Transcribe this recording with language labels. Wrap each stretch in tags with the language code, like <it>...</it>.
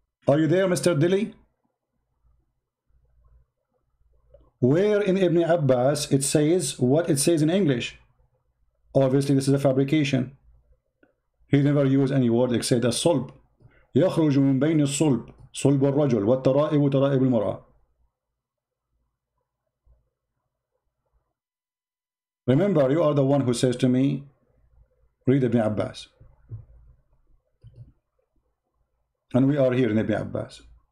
<en>Are you there, Mr. Dilly? Where in Ibn Abbas it says what it says in English? Obviously, this is a fabrication. He never used any word except a sulb.</en> <ar>يخرج من بين الصلب صلب الرجل والترائب ترائب المرأة.</ar> <en>Remember, you are the one who says to me, read Ibn Abbas. And we are here in Ibn Abbas.</en>